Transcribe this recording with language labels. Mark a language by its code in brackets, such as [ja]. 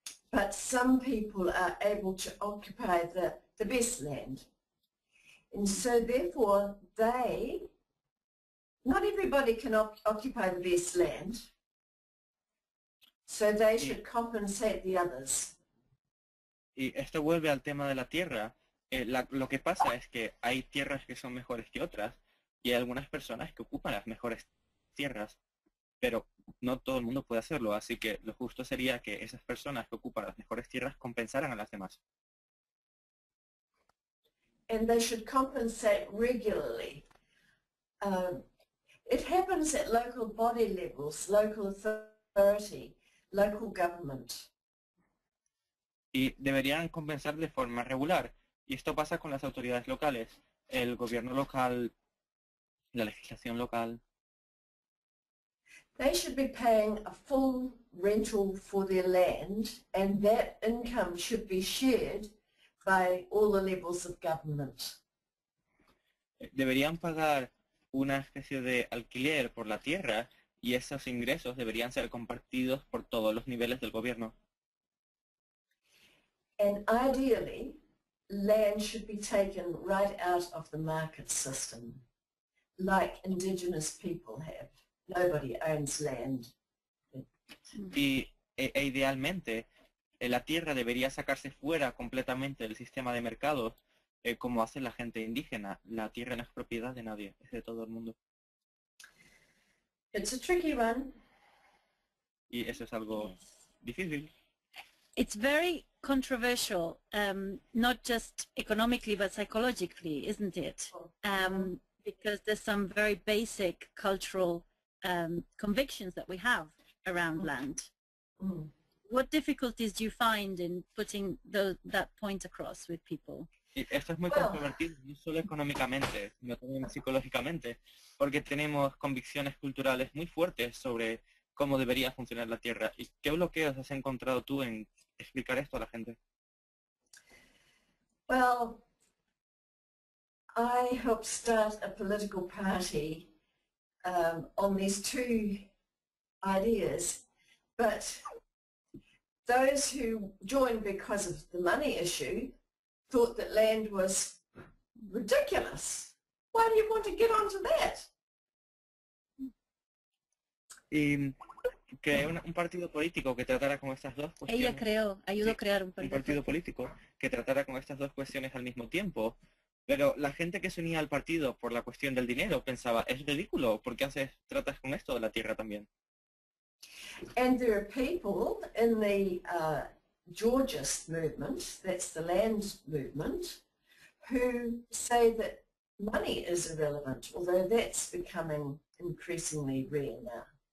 [en] But some people are able to occupy the best land. And so therefore, they not everybody can occupy the best land, so they should compensate the others. [es] Y esto vuelve al tema de la tierra. Lo que pasa es que hay tierras que son mejores que otras, y hay algunas personas que ocupan las mejores tierras, pero no todo el mundo puede hacerlo, así que lo justo sería que esas personas que ocupan las mejores tierras compensaran a las demás. [en] And they should compensate regularly. It happens at local body levels, local authority, local government. [es] Y deberían compensar de forma regular. Y esto pasa con las autoridades locales, el gobierno local, la legislación local. [en] They should be paying a full rental for their land, and that income should be shared by all the levels of government. [es] Deberían pagar una especie de alquiler por la tierra, y esos ingresos deberían ser compartidos por todos los niveles del gobierno. [en] And ideally, land should be taken right out of the market system, like indigenous people have. Nobody owns land. [es] Y idealmente, la tierra debería sacarse fuera completamente del sistema de mercado, como hace la gente indígena. La tierra no es propiedad de nadie, es de todo el mundo. [en] It's a tricky one. [es] Y eso es algo difícil. [en] It's very controversial, not just economically but psychologically, isn't it? Because there's some very basic cultural convictions that we have around land. What difficulties do you find in putting that point across with people? [es] Esto es muy controvertido, no solo económicamente, sino también psicológicamente, porque tenemos convicciones culturales muy fuertes sobre cómo debería funcionar la tierra. ¿Y qué bloqueos has encontrado tú en explicar esto a la gente? [en] Well, I helped start a political party on these two ideas, but those who joined because of the money issue thought that land was ridiculous. Why do you want to get onto that? [es] Creé un partido político que tratara con estas dos cuestiones. Ella creó, ayudó a crear un partido político que tratara con estas dos cuestiones al mismo tiempo. Pero la gente que se unía al partido por la cuestión del dinero pensaba, es ridículo, ¿por qué tratas con esto de la tierra también? [en] And there are people in the Georgist movement, that's the land movement, who say that money is irrelevant, although that's becoming increasingly rare now.